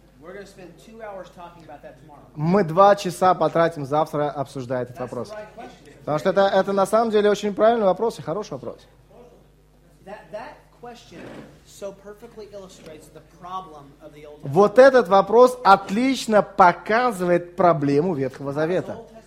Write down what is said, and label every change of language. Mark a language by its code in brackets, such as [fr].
[en] We're going to spend 2 hours talking about that tomorrow. [ru] Мы 2 часа потратим завтра, обсуждая этот вопрос. Потому что это на самом деле очень правильный вопрос и хороший вопрос. [en] That question so perfectly illustrates the problem of the Old Testament. [ru] Вот этот вопрос отлично показывает проблему Ветхого Завета.